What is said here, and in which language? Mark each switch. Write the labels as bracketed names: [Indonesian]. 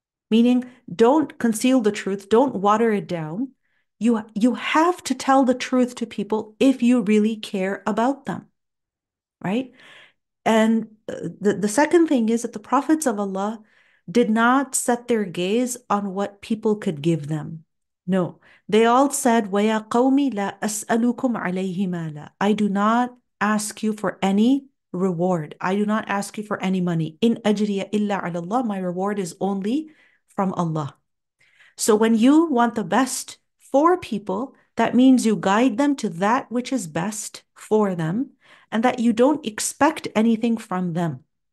[English] Meaning, don't conceal the truth, don't water it down. You have to tell the truth to people if you really care about them, right? And the second thing is that the prophets of Allah did not set their gaze on what people could give them. No, they all said, [Arabic] وَيَا قَوْمِ لَا أَسْأَلُكُمْ عَلَيْهِ مَالًا. [English] I do not ask you for any reward. I do not ask you for any money. [Arabic] إِنْ أَجْرِيَ إِلَّا عَلَى اللَّهِ. [English] My reward is only from Allah. So when you want the best for people, that means you guide them to that which is best for them, and that you don't expect anything from them.